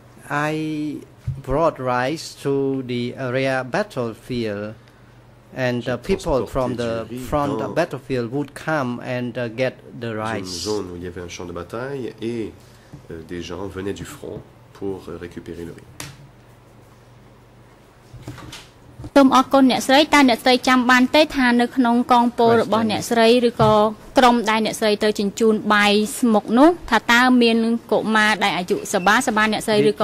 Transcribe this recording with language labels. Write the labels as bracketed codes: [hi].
[en] I brought rice to the area battlefield, and people from the front battlefield would come and get the rice. [fr] Une zone où il y avait un champ de bataille et des gens venaient du front pour récupérer le riz. [km] សូមអរគុណអ្នកស្រីតើអ្នកស្រីចាំបានទេថានៅក្នុងកងពលរបស់អ្នកស្រីឬក៏ក្រុមដែលអ្នកស្រីទៅជញ្ជូនបាយស្មុកនោះថាតើមានកុមារដែលអាយុសបាអ្នកស្រីឬក